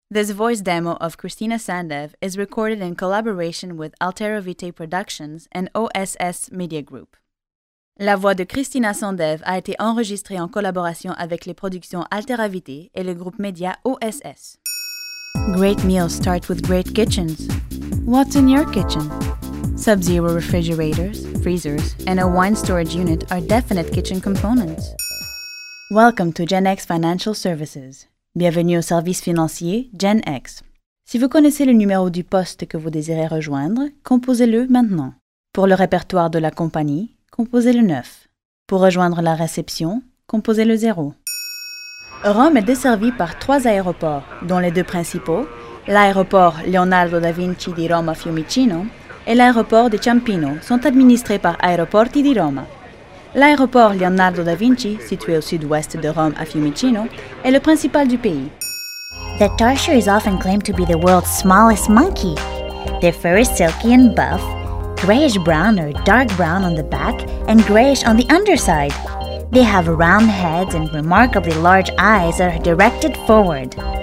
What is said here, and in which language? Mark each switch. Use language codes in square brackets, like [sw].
[en] This voice demo of Christina Sandev is recorded in collaboration with Altera Vitae Productions and OSS Media Group. [fr] La voix de Christina Sandev a été enregistrée en collaboration avec les productions Altera Vitae et le groupe média OSS. [en] Great meals start with great kitchens. What's in your kitchen? Sub-zero refrigerators, freezers, and a wine storage unit are definite kitchen components. Welcome to Gen X Financial Services. [fr] Bienvenue au service financier Gen X. Si vous connaissez le numéro du poste que vous désirez rejoindre, composez-le maintenant. Pour le répertoire de la compagnie, composez le 9. Pour rejoindre la réception, composez le 0. Rome est desservie par trois aéroports, dont les deux principaux, l'aéroport Leonardo da Vinci di Roma Fiumicino et l'aéroport de Ciampino, sont administrés par Aeroporti di Roma. L'aéroport Leonardo da Vinci, situé au sud-ouest de Rome à Fiumicino, est le principal du pays. [en] The tarsier is often claimed to be the world's smallest monkey. Their fur is silky and buff, grayish brown or dark brown on the back and grayish on the underside. They have round heads and remarkably large eyes that are directed forward.